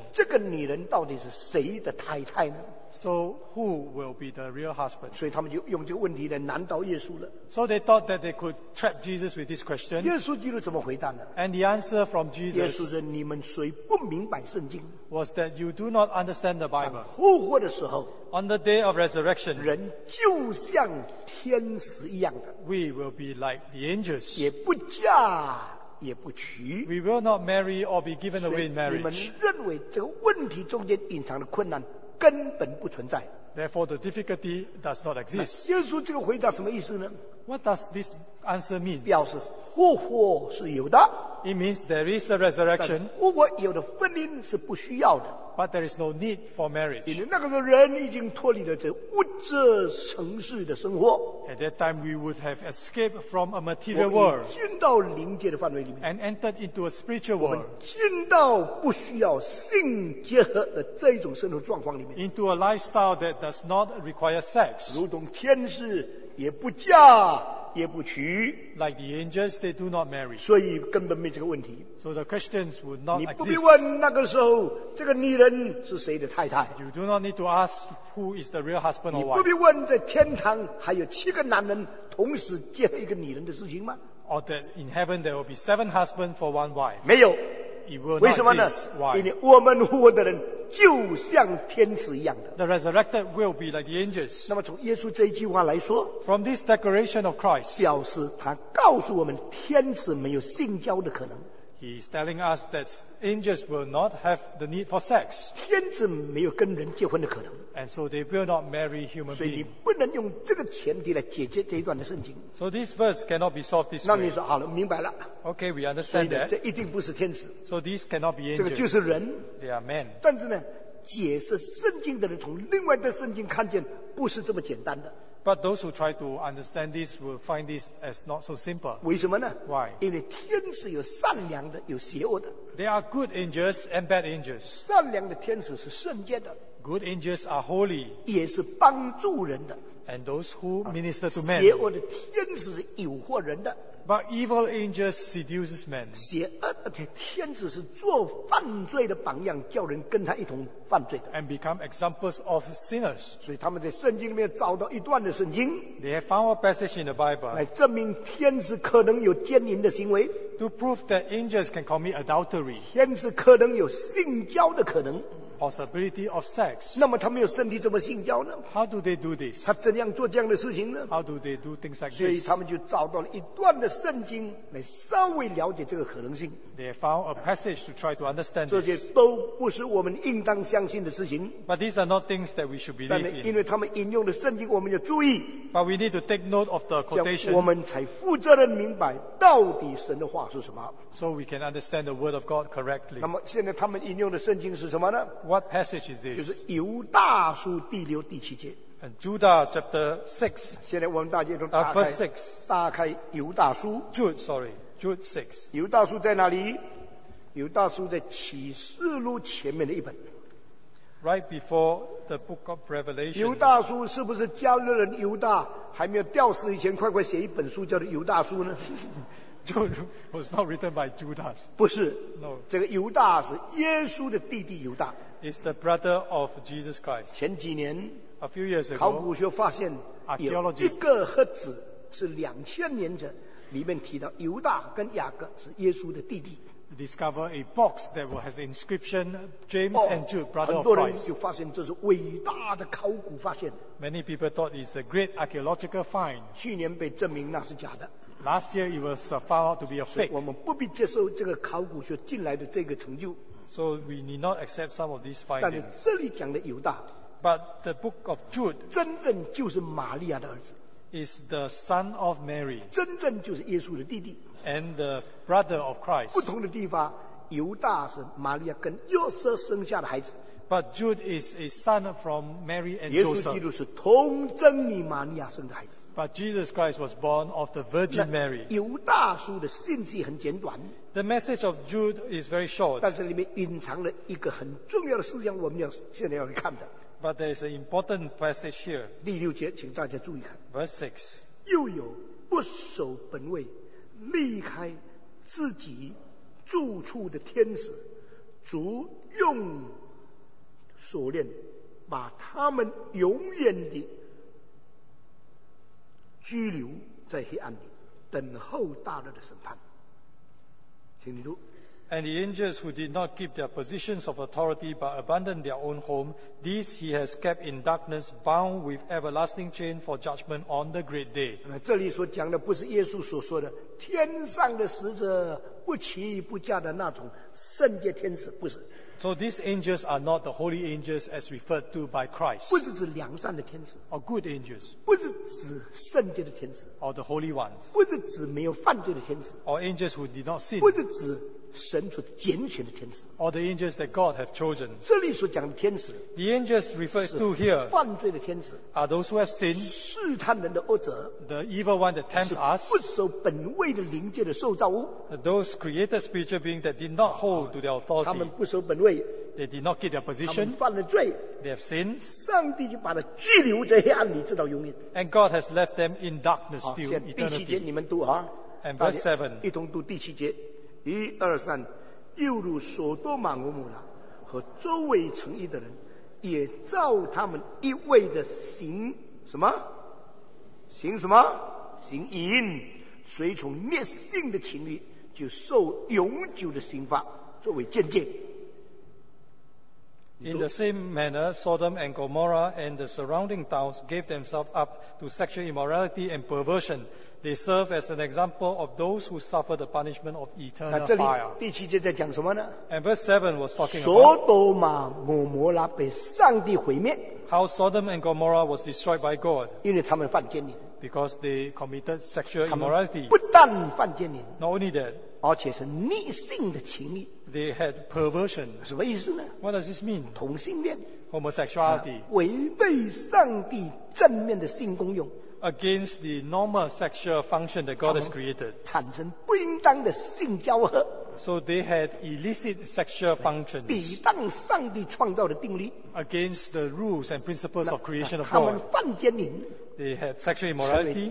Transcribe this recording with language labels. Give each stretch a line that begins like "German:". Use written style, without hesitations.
Chinese: 这个女人到底是谁的太太呢？
English: So who will be the real husband?
Chinese: 所以他们就用这个问题来难倒耶稣了。
English: So they thought that they could trap Jesus with this question.
Chinese: 耶稣基督怎么回答呢？
English: And the answer from Jesus,
Chinese: 耶稣说：“你们谁不明白圣经？”
English: was that you do not understand the Bible.
Chinese: 当复活的时候。
English: On the day of resurrection,
Chinese: 人就像天使一样的。
English: We will be like the angels.
Chinese: 也不嫁，也不娶。
English: We will not marry or be given away in marriage.
Chinese: 所以你们认为这个问题中间隐藏的困难根本不存在。
English: Therefore, the difficulty does not exist.
Chinese: 耶稣这个回答什么意思呢？
English: What does this answer mean?
Chinese: 表示复活是有的。
English: It means there is a resurrection.
Chinese: 复活有的婚姻是不需要的。
English: But there is no need for marriage.
Chinese: 因为那个时候人已经脱离了这物质城市的生活。
English: At that time, we would have escaped from a material world.
Chinese: 我们进到灵界的范围里面。
English: And entered into a spiritual world.
Chinese: 我们进到不需要性结合的这种生活状况里面。
English: Into a lifestyle that does not require sex.
Chinese: 如同天使也不嫁也不娶。
English: Like the angels, they do not marry.
Chinese: 所以根本没这个问题。
English: So the questions would not exist.
Chinese: 你不必问那个时候这个女人是谁的太太。
English: You do not need to ask who is the real husband or wife.
Chinese: 你不必问在天堂还有七个男人同时结合一个女人的事情吗？
English: Or that in heaven there will be seven husbands for one wife.
Chinese: 没有。
English: It will not exist.
Chinese: 为什么呢？
English: Why?
Chinese: 因为我们复活的人就像天使一样的。
English: The resurrected will be like the angels.
Chinese: 那么从耶稣这一句话来说，
English: From this declaration of Christ,
Chinese: 表示他告诉我们天使没有性交的可能。
English: He is telling us that angels will not have the need for sex.
Chinese: 天使没有跟人结婚的可能。
English: And so they will not marry human beings.
Chinese: 所以你不能用这个前提来解决这一段的圣经。
English: So this verse cannot be solved this way.
Chinese: 那你说好了，明白了。
English: Okay, we understand that.
Chinese: 这一定不是天使。
English: So this cannot be angels.
Chinese: 这个就是人。
English: They are men.
Chinese: 但是呢，解释圣经的人从另外的圣经看见不是这么简单的。
English: But those who try to understand this will find this as not so simple.
Chinese: 为什么呢？
English: Why?
Chinese: 因为天使有善良的，有邪恶的。
English: There are good angels and bad angels.
Chinese: 善良的天使是圣洁的。
English: Good angels are holy.
Chinese: 也是帮助人的。
English: And those who minister to men.
Chinese: 邪恶的天使是诱惑人的。
English: But evil angels seduces men.
Chinese: 邪恶而且天子是做犯罪的榜样，叫人跟他一同犯罪的。
English: And become examples of sinners.
Chinese: 所以他们在圣经里面找到一段的圣经。
English: They have found a passage in the Bible.
Chinese: 来证明天子可能有奸淫的行为。
English: To prove that angels can commit adultery.
Chinese: 天子可能有性交的可能。
English: Possibility of sex.
Chinese: 那么他们有身体怎么性交呢？
English: How do they do this?
Chinese: 他怎样做这样的事情呢？
English: How do they do things like this?
Chinese: 所以他们就找到了一段的圣经来稍微了解这个可能性。
English: They found a passage to try to understand this.
Chinese: 这些都不是我们应当相信的事情。
English: But these are not things that we should believe in.
Chinese: 但因为他们引用的圣经，我们要注意。
English: But we need to take note of the quotation.
Chinese: 我们才负责任明白到底神的话是什么。
English: So we can understand the word of God correctly.
Chinese: 那么现在他们引用的圣经是什么呢？
English: What passage is this?
Chinese: 就是犹大书第六第七节。
English: Judah chapter 6.
Chinese: 现在我们大家都打开。
English: Verse 6.
Chinese: 打开犹大书。
English: Jude 6.
Chinese: 犹大书在哪里？犹大书在启示录前面的一本。
English: Right before the book of Revelation.
Chinese: 犹大书是不是加勒人犹大还没有吊死以前快快写一本书叫做犹大书呢？
English: Jude was not written by Judas.
Chinese: 不是。
English: No.
Chinese: 这个犹大是耶稣的弟弟犹大。
English: Is the brother of Jesus Christ.
Chinese: 前几年
English: a few years ago,
Chinese: 考古学发现有一个盒子是2000年前里面提到犹大跟雅各是耶稣的弟弟。
English: Discover a box that has inscription James and Jude, brother of Christ.
Chinese: 很多人就发现这是伟大的考古发现。
English: Many people thought it's a great archaeological find.
Chinese: 去年被证明那是假的。
English: Last year it was found out to be a fake.
Chinese: 我们不必接受这个考古学进来的这个成就。
English: So we need not accept some of these findings.
Chinese: 但是这里讲的犹大
English: ，But the book of Jude
Chinese: 真正就是玛利亚的儿子
English: ，is the son of Mary.
Chinese: 真正就是耶稣的弟弟
English: ，and the brother of Christ.
Chinese: 不同的地方，犹大是玛利亚跟约瑟生下的孩子
English: ，But Jude is a son from Mary and Joseph.
Chinese: 耶稣基督是童贞女玛利亚生的孩子
English: ，But Jesus Christ was born of the Virgin Mary.
Chinese: 犹大书的信息很简短。
English: The message of Jude is very short.
Chinese: 但是里面隐藏了一个很重要的思想，我们要现在要来看的。
English: But there is an important passage here.
Chinese: 第六节，请大家注意看。
English: Verse 6.
Chinese: 又有不守本位，离开自己住处的天使，足用锁链把他们永远地拘留在黑暗里，等候大日的审判。
English: And the angels who did not keep their positions of authority but abandoned their own home, these he has kept in darkness, bound with everlasting chain for judgment on the great day.
Chinese: 这里所讲的不是耶稣所说的天上的使者不起不驾的那种圣洁天使，不是。
English: So these angels are not the holy angels as referred to by Christ.
Chinese: 不是指良善的天使。
English: Or good angels.
Chinese: 不是指圣洁的天使。
English: Or the holy ones.
Chinese: 不是指没有犯罪的天使。
English: Or angels who did not sin.
Chinese: 不是指神所拣选的天使。
English: Or the angels that God have chosen.
Chinese: 这里所讲的天使。
English: The angels referred to here.
Chinese: 是犯罪的天使。
English: Are those who have sinned.
Chinese: 试探人的恶者。
English: The evil one that tempts us.
Chinese: 不守本位的灵界的受造物。
English: Those created spiritual beings that did not hold to their authority.
Chinese: 他们不守本位。
English: They did not keep their position.
Chinese: 他们犯了罪。
English: They have sinned.
Chinese: 上帝就把他拘留在黑暗里直到永远。
English: And God has left them in darkness till eternity.
Chinese: 第七节你们读啊。
English: And verse 7.
Chinese: 一同读第七节。一二三，又如所多玛俄摩拉和周围城邑的人，也照他们一味的行什么？行什么？行淫，随从灭性的情欲，就受永久的刑罚作为鉴戒。
English: In the same manner, Sodom and Gomorrah and the surrounding towns gave themselves up to sexual immorality and perversion. They serve as an example of those who suffer the punishment of eternal fire.
Chinese: 那这里第七节在讲什么呢？
English: And verse 7 was talking about
Chinese: 索多玛、摩摩拉被上帝毁灭。
English: How Sodom and Gomorrah was destroyed by God.
Chinese: 因为他们犯奸淫。
English: Because they committed sexual immorality.
Chinese: 不但犯奸淫。
English: Not only that.
Chinese: 而且是逆性的情欲。
English: They had perversion.
Chinese: 什么意思呢？
English: What does this mean?
Chinese: 同性恋。
English: Homosexuality.
Chinese: 违背上帝正面的性功用。
English: Against the normal sexual function that God has created.
Chinese: 产生不应当的性交合。
English: So they had illicit sexual functions.
Chinese: 抵挡上帝创造的定律。
English: Against the rules and principles of creation of God.
Chinese: 他们犯奸淫。
English: They had sexual immorality.